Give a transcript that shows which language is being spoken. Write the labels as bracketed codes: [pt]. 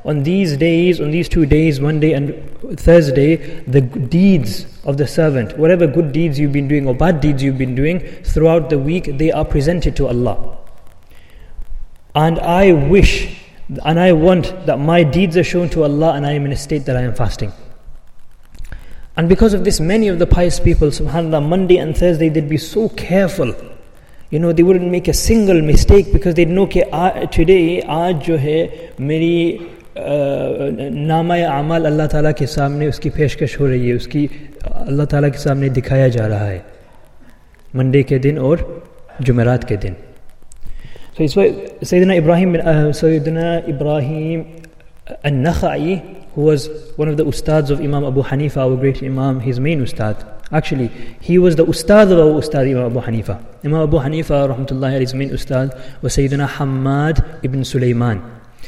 [en] On these days, on these two days, Monday and Thursday, the deeds of the servant, whatever good deeds you've been doing or bad deeds you've been doing throughout the week, they are presented to Allah. And I wish and I want that my deeds are shown to Allah and I am in a state that I am fasting. And because of this, many of the pious people, subhanAllah, Monday and Thursday, they'd be so careful. You know, they wouldn't make a single mistake because they'd know that today, [ur] آج جو ہے، میری نامے عمل اللہ تعالیٰ کے سامنے، اس کی پیشکش ہو رہی ہے، اس کی اللہ تعالیٰ کے سامنے دکھایا جا رہا ہے. Monday کے دن اور جمعرات کے دن. [en] So it's why Sayyidina Ibrahim An-Nakhai, who was one of the ustads of Imam Abu Hanifa, our great Imam, his main ustad. Actually, he was the ustad of our ustad, Imam Abu Hanifa. Imam Abu Hanifa, rahmatullahi alayhi, his main ustad, was Sayyidina Hammad ibn Sulaiman.